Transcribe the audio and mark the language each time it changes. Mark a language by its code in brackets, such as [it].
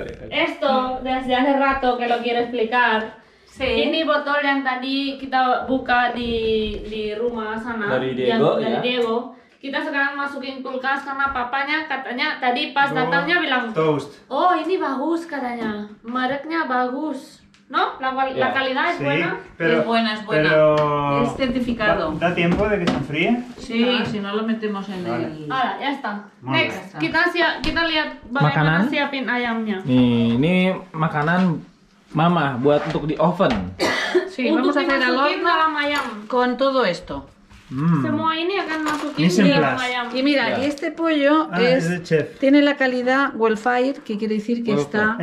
[es] Esto desde hace rato que lo quiero explicar. Sí. [id] Ini botol yang tadi kita buka di rumah sana. Dari Diego. Dari Diego. Kita sekarang masukin kulkas karena papanya katanya tadi pas datangnya bilang [en] toast. [id] Oh ini bagus katanya, mereknya bagus. [es] No, la calidad es buena. Es buena. Pero es certificado. ¿Da tiempo de que se enfríe? Sí, si no lo metemos en el. Ahora, ya está. [id] Kita lihat bagaimana siapin ayamnya. Nih, ini makanan mama buat untuk di oven. [es] Sí, vamos a hacer al horno la ayam con todo esto. [id] Semua ini akan masukin di ayam. [es] Y mira, y este pollo es tiene la calidad welfare, que quiere decir que está